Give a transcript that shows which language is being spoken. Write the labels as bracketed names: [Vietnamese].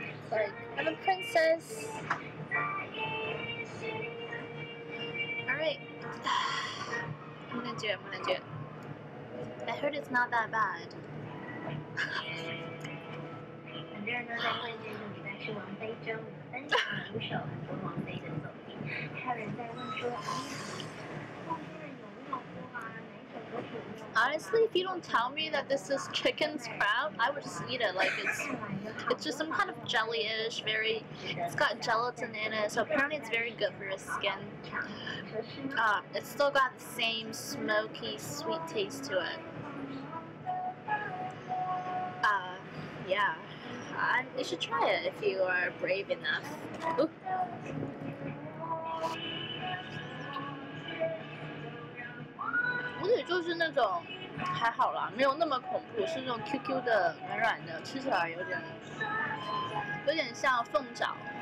[English] Sorry, I'm a princess. All right. [Chinese] 不能接，不能接。 [English] I heard it's not that bad. [Chinese] 很多人在问说，哎，后面有那么多吗？每首歌曲。 [English] Honestly, if you don't tell me that this is chicken's crown, I would just eat it. Like it's just some kind of jelly-ish, very. It's got gelatin in it, so apparently it's very good for your skin. It's still got the same smoky, sweet taste to it. Yeah. You should try it if you are brave enough. [Chinese] Ooh. 我也就是那种还好啦，没有那么恐怖，是那种 QQ 的软软的，吃起来有点像凤爪。